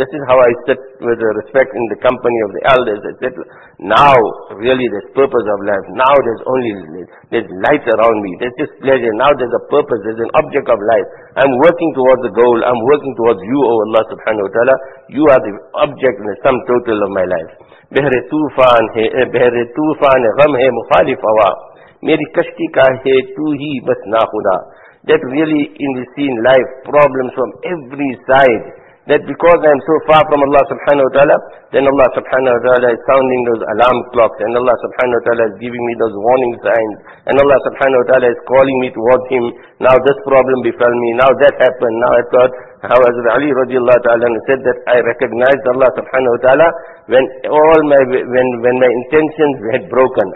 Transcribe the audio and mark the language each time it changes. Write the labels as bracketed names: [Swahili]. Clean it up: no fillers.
[English] This is how I sit with respect in the company of the elders, etc. Now, really there's purpose of life. Now there's light around me. There's just pleasure. Now there's a purpose, there's an object of life. I'm working towards the goal. I'm working towards you, O Allah subhanahu wa ta'ala. You are the object and the sum total of my life. [Urdu] بحر طوفان غم ہے مخالف ہوا میری کشتی کا ہے تو ہی بس نا خدا. [English] That really in the scene life, problems from every side, that because I am so far from Allah subhanahu wa ta'ala, then Allah subhanahu wa ta'ala is sounding those alarm clocks, and Allah subhanahu wa ta'ala is giving me those warning signs, and Allah subhanahu wa ta'ala is calling me towards him. Now this problem befell me, now that happened, now I thought, how Hazrat Ali radiallahu ta'ala said that I recognized Allah subhanahu wa ta'ala when my intentions had broken.